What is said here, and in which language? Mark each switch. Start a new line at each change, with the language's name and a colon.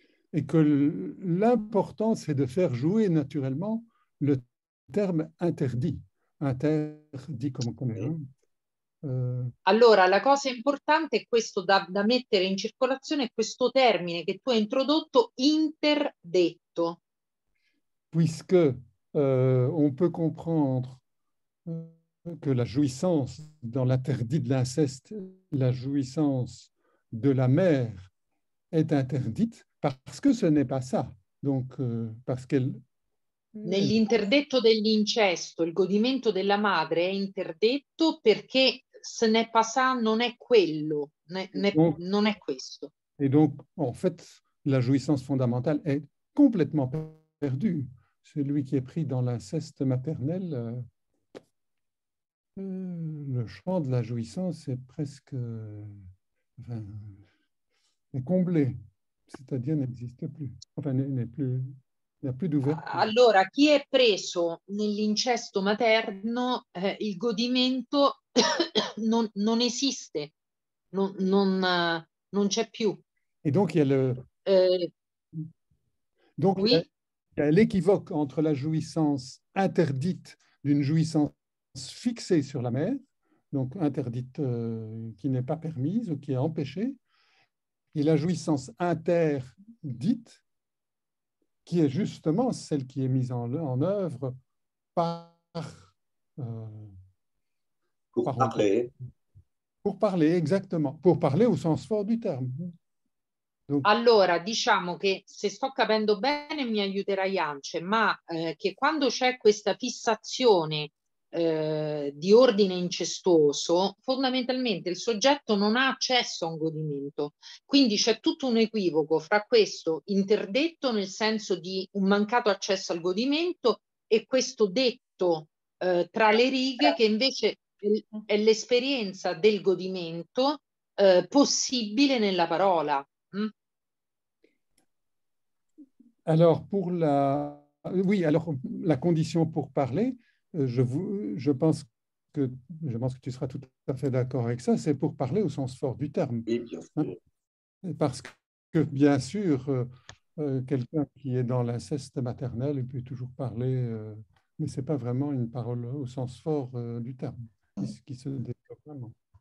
Italian: E che l'importanza è di far jouer naturalmente il termine interdit, interdit come comune. Allora, la cosa importante è questo da mettere in circolazione questo termine che tu hai introdotto, interdetto.
French: Puisque on peut comprendre que la jouissance dans l'interdit de l'inceste, la jouissance de la mère est interdite parce que ce n'est pas ça. Donc parce qu'elle
Italian: nell'interdetto dell'incesto, il godimento della madre è interdetto perché
French: ce n'est pas ça,
Italian: non è quello, non è questo.
French: E donc, en fait, la jouissance fondamentale est complètement perdue. Celui qui est pris dans l'inceste maternel, le champ de la jouissance est presque est comblé, c'est-à-dire n'existe plus. Enfin, n'est plus.
Italian: Allora, chi è preso nell'incesto materno, il godimento non esiste, non, non, non c'è più.
French: Et donc il y a le donc oui. Il y a l'équivoque entre la jouissance interdite d'une jouissance fixée sur la mer, donc interdite qui n'est pas permise ou qui est empêchée, et la jouissance interdite qui est justement celle qui est mise en œuvre par pour parler exactement, pour parler au sens fort du terme.
Italian: Donc, allora, diciamo che se sto capendo bene mi aiuterai Ance, ma che quando c'è questa fissazione di ordine incestuoso, fondamentalmente il soggetto non ha accesso a un godimento. Quindi c'è tutto un equivoco fra questo interdetto nel senso di un mancato accesso al godimento e questo detto tra le righe che invece è l'esperienza del godimento possibile nella parola.
French: Alors pour la condition pour parler, je pense que tu seras tout à fait d'accord avec ça, c'est pour parler au sens fort du terme. Oui, bien sûr. Hein? Parce que bien sûr, quelqu'un qui est dans l'inceste maternel il peut toujours parler, mais c'est pas vraiment une parole au sens fort du terme qui se développe vraiment.